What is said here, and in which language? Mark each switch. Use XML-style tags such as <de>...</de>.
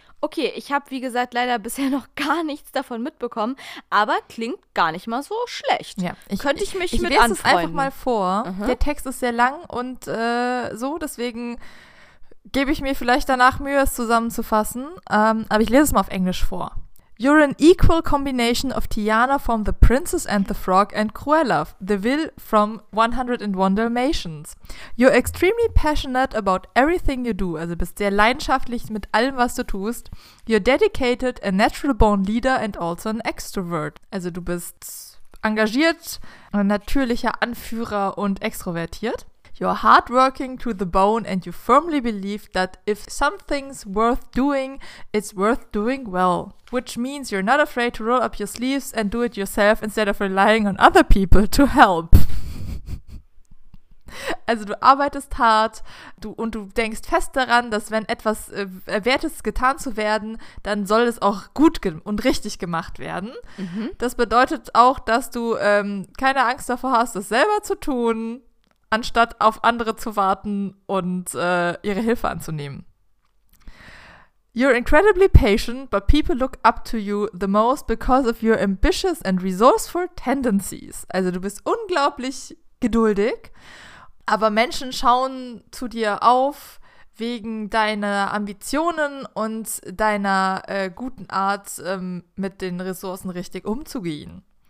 <de>Okay, ich habe, wie gesagt, leider bisher noch gar nichts davon mitbekommen, aber klingt gar nicht mal so schlecht. Ja, Könnte ich mich mit anfreunden. Ich lese es einfach mal vor. Aha. Der Text ist sehr lang und deswegen gebe ich mir vielleicht danach Mühe, es zusammenzufassen. Aber ich lese es mal auf Englisch vor.</de> <en>You're an equal combination of Tiana from The Princess and the Frog and Cruella, the Vil from 101 Dalmatians. You're extremely passionate about everything you do,</en> <de>also bist sehr leidenschaftlich mit allem, was du tust.</de> <en>You're dedicated, a natural-born leader and also an extrovert.</en> <de>Also du bist engagiert, ein natürlicher Anführer und extrovertiert.</de> <en>You're hardworking to the bone and you firmly believe that if something's worth doing, it's worth doing well. Which means you're not afraid to roll up your sleeves and do it yourself instead of relying on other people to help.</en> <de>Also du arbeitest hart und du denkst fest daran, dass wenn etwas wert ist, getan zu werden, dann soll es auch gut und richtig gemacht werden. Mhm. Das bedeutet auch, dass du keine Angst davor hast, es selber zu tun, anstatt auf andere zu warten und ihre Hilfe anzunehmen.</de> <en>You're incredibly patient, but people look up to you the most because of your ambitious and resourceful tendencies.</en> <de>Also du bist unglaublich geduldig, aber Menschen schauen zu dir auf wegen deiner Ambitionen und deiner guten Art, mit den Ressourcen richtig umzugehen.</de>